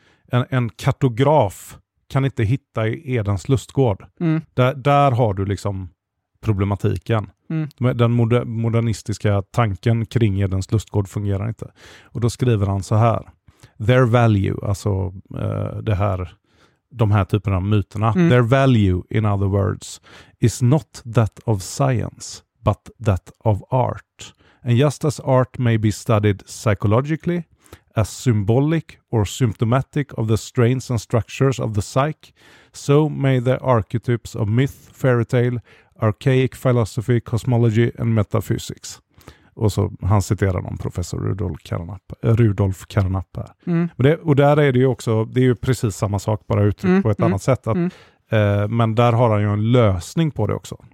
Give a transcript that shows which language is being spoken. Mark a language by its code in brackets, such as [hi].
[sv] En kartograf kan inte hitta i Edens lustgård. Mm. Där har du liksom problematiken. Mm. Den modernistiska tanken kring Edens lustgård fungerar inte. Och då skriver han så här. [en] Their value, [sv] alltså det här... De här typerna av myterna. Mm. [en] Their value, in other words, is not that of science, but that of art. And just as art may be studied psychologically, as symbolic or symptomatic of the strains and structures of the psyche, so may the archetypes of myth, fairy tale, archaic philosophy, cosmology and metaphysics. [sv] Och så han citerar någon professor Rudolf Carnap här. Mm. Och där är det ju också, det är ju precis samma sak, bara uttryckt på ett annat sätt. Att, men där har han ju en lösning på det också.